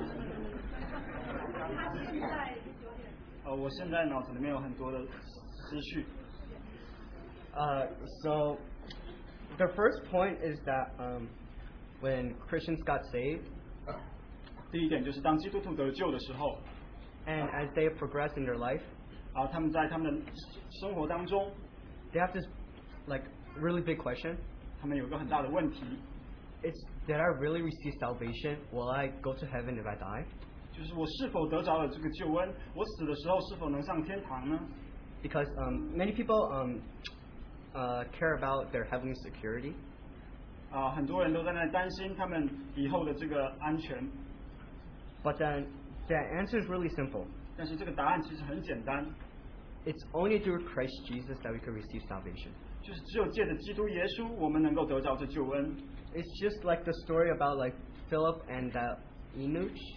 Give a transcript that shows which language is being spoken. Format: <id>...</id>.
<zh>就是我每天早上起来，我就会想，我现在脑子里面有很多的思绪。</zh> <en>So the first point is that when Christians got saved,</en> <zh>第一点就是当基督徒得救的时候,</zh> <en>and as they progress in their life,</en> <zh>他们在他们的生活当中,</zh> <en>they have this like really big question.</en> <zh>他们有一个很大的问题,</zh> <en>it's, did I really receive salvation? Will I go to heaven if I die?</en> <zh>就是我是否得着了这个救恩?我死的时候是否能上天堂呢?</zh> <en>Because many people care about their heavenly security.</en> <zh>很多人都在那担心他们以后的这个安全。</zh> <en>But then the answer is really simple.</en> <zh>但是这个答案其实很简单。</zh> <en>It's only through Christ Jesus that we can receive salvation.</en> <zh>就是只有借着基督耶稣我们能够得着这救恩。</zh> <en>It's just like the story about like Philip and the eunuch.</en>